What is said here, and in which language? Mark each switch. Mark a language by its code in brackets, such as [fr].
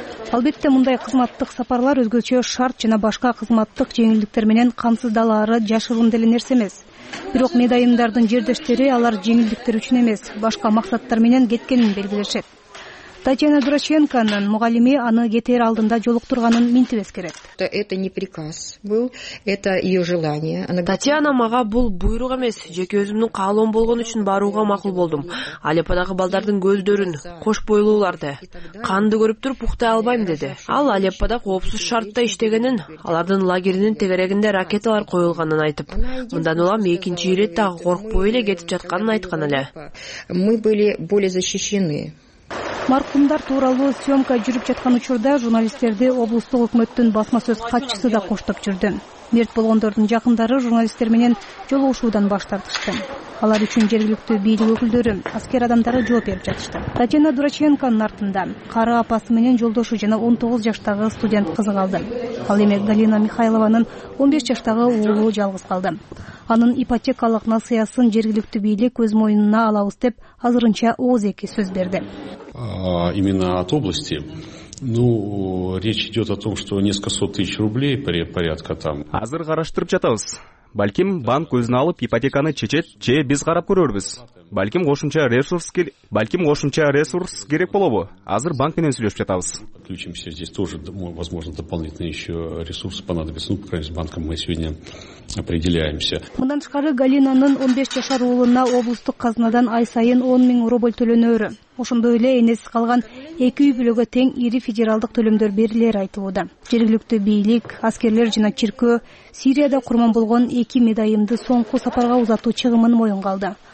[ky] Албетте, мындай кызматтык сапарлар өзгөчө шарт жана башка кызматтык жеңилдиктер менен камсыздалары жашырын деле нерсе эмес. Бирок медайымдардын жердештери алар жеңилдиктер үчүн эмес, башка максаттар менен кеткенин белгилешет. Татьяна Дураченконун мугалими аны кетер алдында жолуктурганын минтип эскерет. [ru] Это не приказ был, это ее желание. [ky] Татьяна мага бул буйрук эмес, жеке өзүмдүн каалоом болгон үчүн барууга макул болдум. Алеппадагы балдардын көздөрүн, кош бойлууларды, канды көрүп туруп уктай албайм деди. Ал Алеппада коопсуз шартта иштегенин, алардын лагеринин тегерегинде ракеталар коюлганын айтып, мындан улам экинчи ирет дагы коркпой эле кетип жатканын айткан эле. [ru] Мы были более защищены. [ky] Маркумдар тууралуу съемка жүрүп жаткан учурда журналисттерди облустук өкмөттүн басма сөз катчысы да коштоп жүрдү. Мерт болгондордун жакындары журналисттер менен жолугушуудан баш тартышты. Алар үчүн жергиликтүү бийлик өкүлдөрү, аскер адамдары жооп берип жатышты. Татьяна Дураченконун артында кары апасы менен жолдошу жана 19 жаштагы студент кызы калды. Ал эми Галина Михайлованын 15 жаштагы уулу жалгыз калды. Анын ипотекалык насыясын жергиликтүү бийлик өз мойнуна алабыз деп азырынча 12 сөз берди. [ru] Именно от области. Речь идет о том, что несколько сот тысяч рублей порядка там. [ky] Азыр караштырып жатабыз. Балким банк өзүнө алып ипотеканы чечет, же биз карап көрөрбүз. Балким кошумча ресурс керек болобу? Азыр банк менен сүйлөшүп жатабыз. [ru] Включимся здесь тоже, возможно, дополнительные еще ресурсы понадобятся. По крайней мере, с банком мы сегодня определяемся. [ky] Мындан тышкары Галинанын 15 жашар уулуна облустук казынадан ай сайын 10,000 рубль төлөнөрү. Ошондой эле энеси калган эки үй бүлөгө тең ири федералдык төлөмдөр берилери айтылууда. Жергиликтүү бийлик, аскерлер жана чиркөө Сирияда курман болгон эки медайымды соңку сапарга узатуу чыгымын моюнга алды.